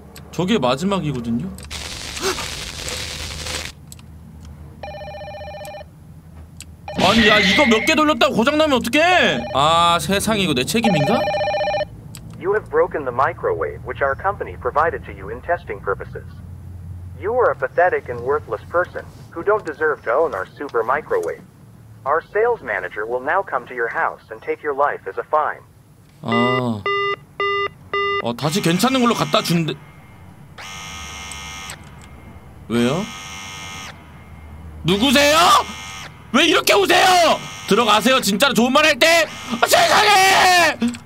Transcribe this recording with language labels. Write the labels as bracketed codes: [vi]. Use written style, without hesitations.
[ko] 저게 마지막이거든요? 아니 야 이거 몇 개 돌렸다고 고장나면 어떡해! 아 세상에 이거 내 책임인가? [en] You have broken the microwave which our company provided to you in testing purposes. You are a pathetic and worthless person who don't deserve to own our super microwave. Our sales manager will now come to your house and take your life as a fine. [ko] 아, 다시 괜찮은 걸로 갖다 준대. 왜요? 누구세요? 왜 이렇게 오세요? 들어가세요. 진짜로 좋은 말 할 때. 아, 세상에!